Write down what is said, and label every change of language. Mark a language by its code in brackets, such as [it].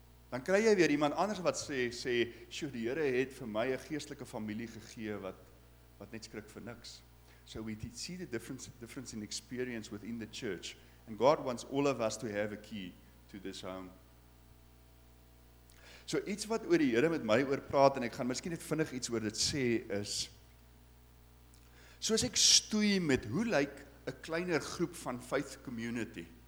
[af] Dan kry jy weer iemand anders wat sê, "Sjoe, die Here het vir my 'n geestelike familie gegee wat net skrik vir niks." [en] So we see the difference in experience within the church. And God wants all of us to have a key to this home. [af] So iets wat oor die Here met my oor praat, en ek gaan miskien net vinnig iets oor dit sê, is soos ek stoei met hoe lyk 'n kleiner groep van [en] faith community.